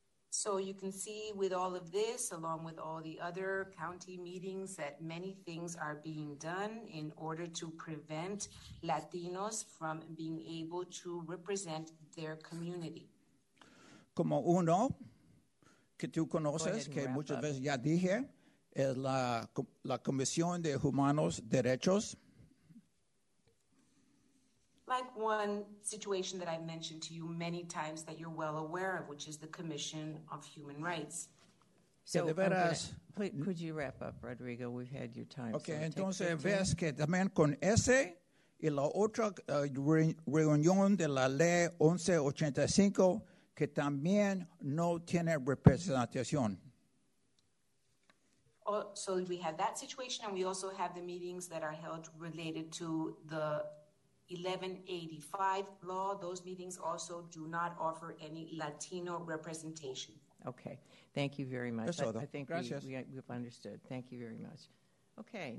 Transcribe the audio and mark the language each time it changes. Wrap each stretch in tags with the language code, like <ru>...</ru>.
<en>So you can see with all of this, along with all the other county meetings, that many things are being done in order to prevent Latinos from being able to represent their community.</en> <es>Como uno que tú conoces, que muchas veces ya dije, es la Comisión de Humanos Derechos.</es> <en>Like one situation that I've mentioned to you many times that you're well aware of, which is the Commission of Human Rights. So, could you wrap up, Rodrigo? We've had your time. Okay, so</en> <es>entonces ves que también con ese y la otra reunión de la ley 1185 que también no tiene representación.</es> <en>So we have that situation, and we also have the meetings that are held related to the 1185 law. Those meetings also do not offer any Latino representation. Okay. Thank you very much.</en> <es>Eso,</es> <en>I think we've understood. Thank you very much. Okay.</en>